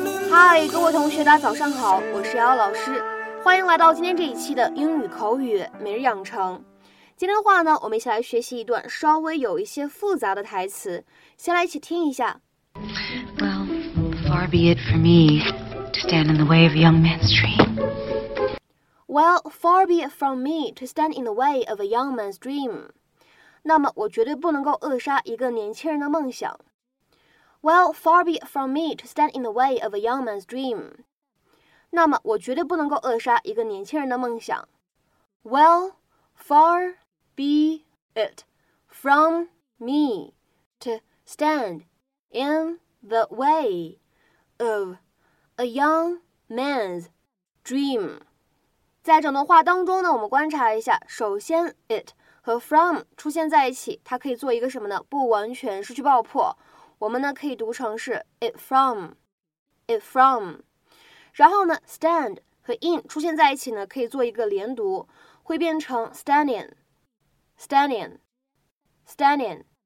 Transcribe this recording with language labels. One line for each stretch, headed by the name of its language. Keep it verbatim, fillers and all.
Chinese: 嗨，各位同学，大家早上好，我是瑶瑶老师，欢迎来到今天这一期的英语口语每日养成。今天的话呢，我们一起来学习一段稍微有一些复杂的台词，先来一起听一下。
English: Well, far be it for me to stand in the way of a young man's dream. Well, far be it from me to stand in the way of a young man's dream.
Chinese: 那么我绝对不能够扼杀一个年轻人的梦想。
English: Well, far be it from me to stand in the way of a young man's dream.
Chinese: 那么我绝对不能够扼杀一个年轻人的梦想。
English: Well, far be it from me to stand in the way of a young man's dream.
Chinese: 在整段话当中呢，我们观察一下，首先 it 和 from 出现在一起，它可以做一个什么呢？不完全失去爆破。我们呢可以读成是 it from, it from， 然后呢 stand 和 in 出现在一起呢，可以做一个连读，会变成 stand in, stand in, stand in。